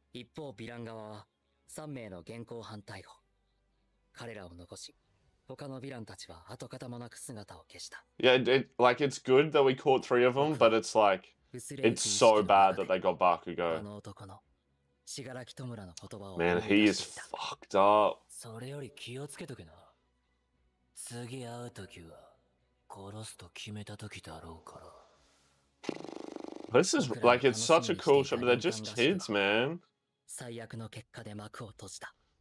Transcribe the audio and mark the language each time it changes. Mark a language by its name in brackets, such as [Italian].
[Japanese] 一方ヴィラン側は3名の現行犯逮捕。彼らを残し他のヴィランたちは跡形もなく姿を消した。 [English] Yeah, it, like it's good that we caught three of them, but it's like it's so bad that they got Bakugo. [Japanese] あの男のしがらきとむらの言葉を。 [English] Man, he is fucked up. [Japanese] それより気をつけとけな。次会う時は殺すと決めた時だろうから。 [English] This is like it's such a cool show, but they're just kids, man. [Japanese] 最悪の結果で幕を閉じた。